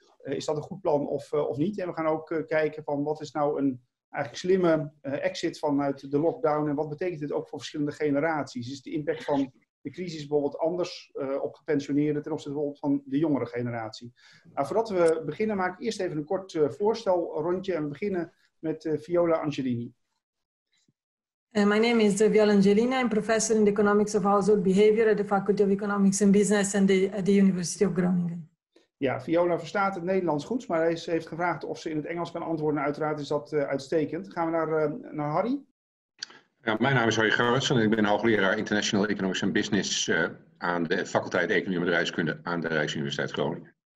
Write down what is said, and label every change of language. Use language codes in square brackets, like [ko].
[nl] Is dat een goed plan of niet? En we gaan ook kijken van wat is nou een eigenlijk slimme exit vanuit de lockdown en wat betekent dit ook voor verschillende generaties? Is de impact van de crisis bijvoorbeeld anders op gepensioneerden ten opzichte van de jongere generatie? Nou, voordat we beginnen, maak ik eerst even een kort voorstel rondje en we beginnen met Viola Angelini. [en] My name is Viola Angelini. I'm professor in the economics of household behavior at the Faculty of Economics and Business and at the University of Groningen. [nl] Ja, Viola verstaat het Nederlands goed, maar hij heeft gevraagd of ze in het Engels kan antwoorden. Uiteraard is dat uitstekend. Gaan we naar Harry? Ja, mijn naam is Harry Gerritsen en ik ben hoogleraar International Economics and Business aan de faculteit Economie en Bedrijfskunde aan de Rijksuniversiteit Groningen.